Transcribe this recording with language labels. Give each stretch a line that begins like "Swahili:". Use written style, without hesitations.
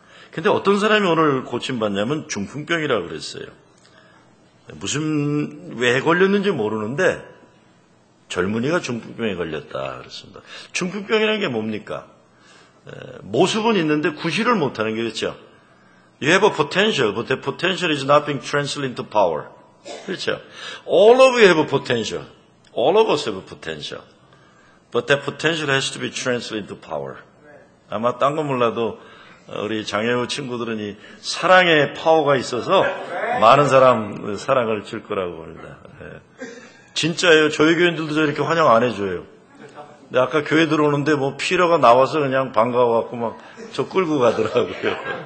Korean: 그런데 어떤 사람이 오늘 고침받냐면 중풍병이라고 그랬어요. 무슨 왜 걸렸는지 모르는데 젊은이가 중풍병에 걸렸다 그랬습니다. 중풍병이라는 게 뭡니까? 모습은 있는데 구실을 못하는 게 그렇죠?
English: You have a potential, but the potential is not being translated into power.
Korean: 그렇죠?
English: All of you have a potential. All of us have a potential. But that potential has to be translated into power.
Korean: 아마 딴 거 몰라도 우리 장애우 친구들은 이 사랑의 파워가 있어서 많은 사람 사랑을 줄 거라고 봅니다. 예. 진짜예요. 저희 교인들도 저렇게 환영 안 해줘요. 근데 아까 교회 들어오는데 뭐 피러가 나와서 그냥 반가워갖고 막 저 끌고 가더라고요.